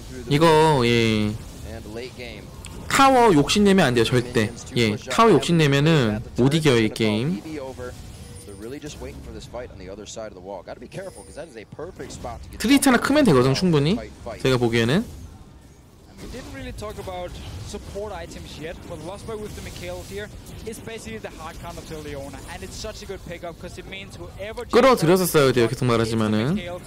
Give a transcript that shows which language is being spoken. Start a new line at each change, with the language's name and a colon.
Korean: 이거, 예, 타워 욕심내면 안돼요 절대. 예, 타워 욕심내면은 못 이겨요 이 게임.
English: Just waiting for this fight on the other side of the wall. Got to be careful because that is a perfect spot to get.
Korean: 트리트 하나 크면 되거든 충분히. 제가 보기에는.
English: We didn't really talk about support items yet, but Lost Boy with the Mikhail here is basically the hard kind of Leona, and it's such a good pickup because it means whoever.
Korean: 끌어들여서 싸워야 돼요 계속 말하지만은.